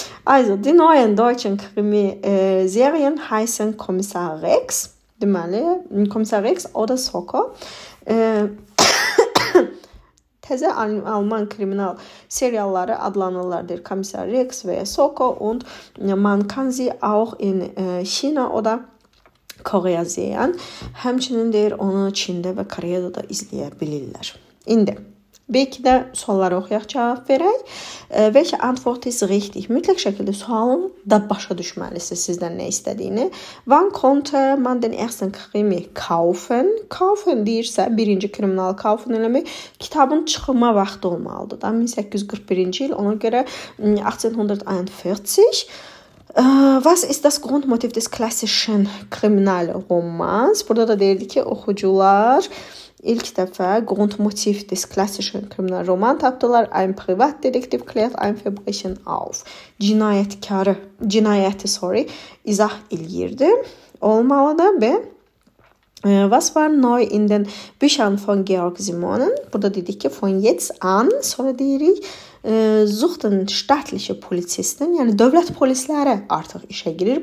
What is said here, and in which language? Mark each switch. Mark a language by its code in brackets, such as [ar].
[de] Also, die neuen deutschen Krimi-Serien heißen Kommissar Rex, deməli, Kommissar Rex oder Soko. [az] Təzə Alman kriminal serialları adlanırlardır. [de] Kommissar Rex və Soko und man kann sie auch in China oder Koreya sehen. [az] Həmçinin deyir, onu Çində və Koreyada da izləyə bilirlər. İndi. Belki də sualları oxuyaq, cavab verək. [de] Welche Antwort ist richtig? [az] Mütləq şəkildə sualın da başa düşməlisiniz sizdən nə istədiyini. [de] Wann konnte man den ersten Krimi kaufen? [az] Kaufen deyirsə, birinci kriminal kaufen eləmək kitabın çıxma vaxtı olmalıdır. Da 1841-ci il, ona görə 1841. [de] Was ist das Grundmotiv des klassischen Kriminalromans? [az] Burada da deyirdi ki, oxucular İlk dəfə [de] Grundmotiv des klassischen Kriminalroman [az] tapdılar. [de] Ein Privatdetektiv klärt ein Verbrechen auf. [az] Cinayətkarı, cinayəti, sorry, izah eləyirdi. Olmalıdır. [de] Və was war neu in den Büchern von Georg Simonen? [az] Burada dedik ki, [de] von jetzt an, [az] sonra deyirik, [de] suchten staatliche Polizisten, [az] yəni dövlət polisləri artıq işə girir.